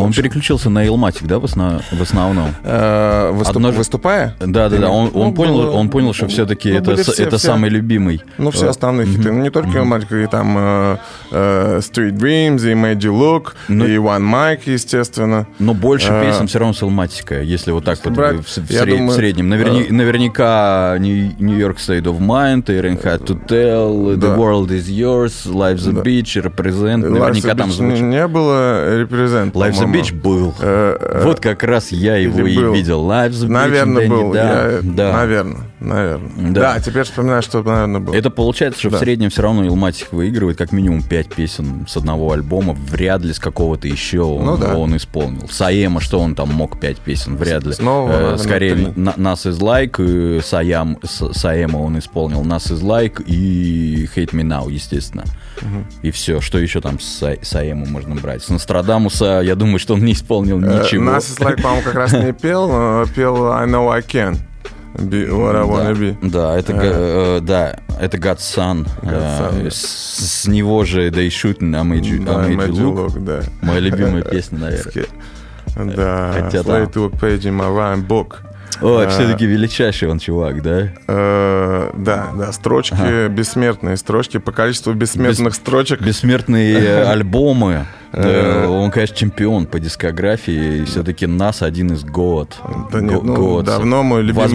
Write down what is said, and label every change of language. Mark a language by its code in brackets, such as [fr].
[ru] Он переключился на Illmatic, да, в основном? Выступая? Да. Он понял, что все-таки это самый любимый. Ну, все основные хиты. Не только Illmatic, и там Street Dreams, и Made You Look, и One Mic, естественно. Но больше песен все равно с Illmatic, если вот так в среднем. Наверняка New York State of Mind, Iron Hat to Tell, The World is Yours, Life's a Beach, Represent. Наверняка там звучит. Не было Represent. Life's a Beach был. Вот как раз я его и видел. Life's a Beach. Наверное, был. Наверное. Да, теперь вспоминаю, что, наверное, был. Это получается, что в среднем все равно Illmatic выигрывает как минимум 5 песен с одного альбома. Вряд ли с какого-то еще он исполнил. Сайема, что он там мог 5 песен? Вряд ли. Скорее, Nas is Like, Сайема он исполнил, Nas is Like и Hate Me Now, естественно. И все. Что еще там с Саэму можно брать? С Нострадамуса, я думаю, что он не исполнил ничего. Nas is Like, по-моему, как раз не пел, но пел I Know I Can Be What I Wanna Be. Это Godson. С него же They Shootin' I Made You Look. Моя любимая песня, наверное. Да. [en] Play to a page in my rhyme book. [ru] Все-таки величайший он чувак, да? Да, строчки, бессмертные строчки, по количеству бессмертных строчек. Бессмертные альбомы. Он, конечно, чемпион по дискографии, и все-таки Nas один из GOAT. Да нет, давно мой любимый рэпер.